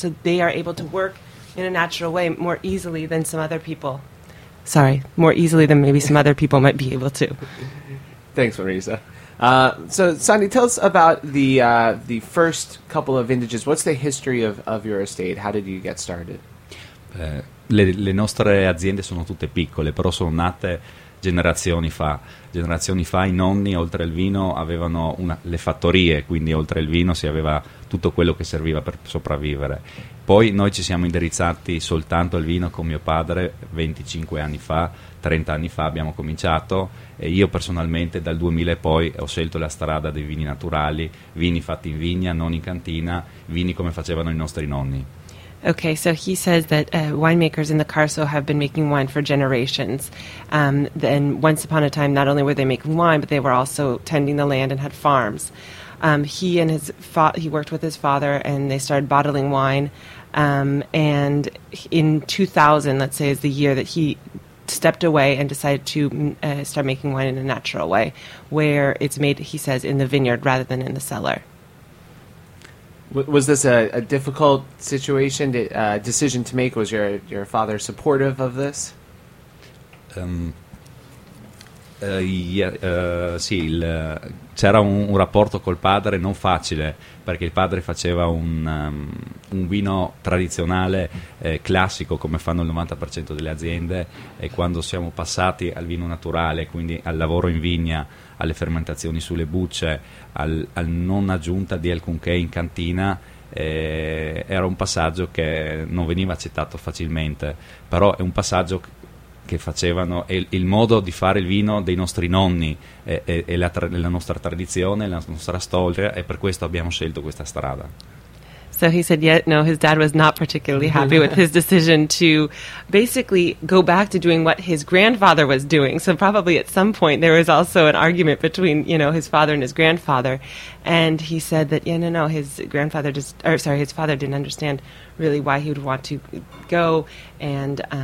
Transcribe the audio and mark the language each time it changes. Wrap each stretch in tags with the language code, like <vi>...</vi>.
<en>So they are able to work in a natural way more easily than some other people. Sorry, more easily than maybe some other people might be able to. Thanks, Marisa. So, Sandi, tell us about the first couple of vintages. What's the history of your estate? How did you get started?</en> <it>Le nostre aziende sono tutte piccole, però sono nate generazioni fa. Generazioni fa i nonni, oltre al vino, avevano le fattorie, quindi oltre al vino si aveva tutto quello che serviva per sopravvivere. Poi noi ci siamo indirizzati soltanto al vino con mio padre 25 anni fa, 30 anni fa abbiamo cominciato, e io personalmente dal 2000 poi ho scelto la strada dei vini naturali, vini fatti in vigna, non in cantina, vini come facevano i nostri nonni.</it> <en>Okay, so he says that winemakers in the Carso have been making wine for generations. Then once upon a time, not only were they making wine, but they were also tending the land and had farms. He and his he worked with his father, and they started bottling wine. And in 2000, let's say, is the year that he stepped away and decided to start making wine in a natural way, where it's made, he says, in the vineyard rather than in the cellar. Was this a difficult situation, a decision to make? Was your father supportive of this?</en> <it>C'era un rapporto col padre non facile, perché il padre faceva un vino tradizionale, classico, come fanno il 90% delle aziende, e quando siamo passati al vino naturale, quindi al lavoro in vigna, alle fermentazioni sulle bucce, al non aggiunta di alcunché in cantina, era un passaggio che non veniva accettato facilmente, però è un passaggio che facevano il modo di fare il vino dei nostri nonni, la nostra tradizione, la nostra storia, e per questo abbiamo scelto questa strada.</it> <en>So he said, yeah, no, his dad was not particularly happy with his decision to basically go back to doing what his grandfather was doing. So probably at some point there was also an argument between, you know, his father and his grandfather. And he said that, yeah, no, his father didn't understand really why he would want to go. And</en>